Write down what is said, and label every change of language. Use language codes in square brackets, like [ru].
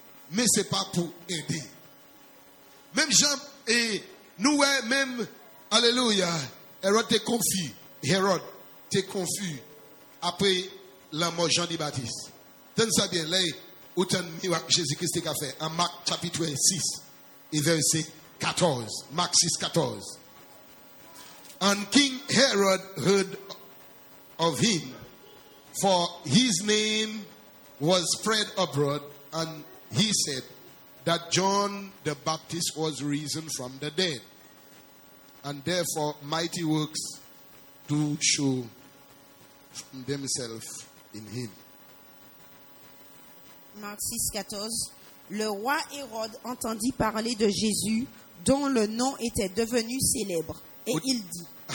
[fr] Mais c'est pas pour aider. Même Jean et nous, même, alléluia, Hérode t'es confus. Hérode t'es confus après la mort de Jean le Baptiste. Tenez ça bien, là, où t'en miracle Jésus-Christ a fait, en Marc chapitre 6 et verset 14, Marc 6, 14. [en] And King Herod heard of him, for his name was spread abroad, and he said that John the Baptist was risen from the dead, and therefore mighty works do show themselves in him. [fr] Marc 6, 14. Le roi Hérode entendit parler de Jésus, dont le nom était devenu célèbre. Et il dit.